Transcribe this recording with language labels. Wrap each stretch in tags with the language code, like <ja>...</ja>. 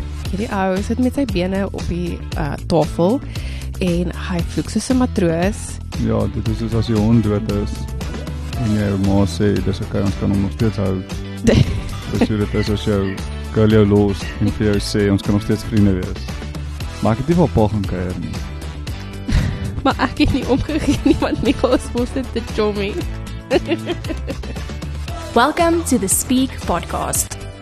<af>Hierdie ou sit met sy bene op die tafel en hy vloek soos 'n matroos. Ja, dit is soos as jy hond dood is. En jy ma sê, dis ok, ons kan hom nog steeds hou. Dis hoe dit is as jou girl jou los en vir jou sê, ons kan nog steeds vriende wees. Maar ek het nie vir pa gaan kuier nie. Maar ek het nie omgegee nie, want Nikos moest dit te chommie.</af> <en>Welcome to the Speak Podcast.</en>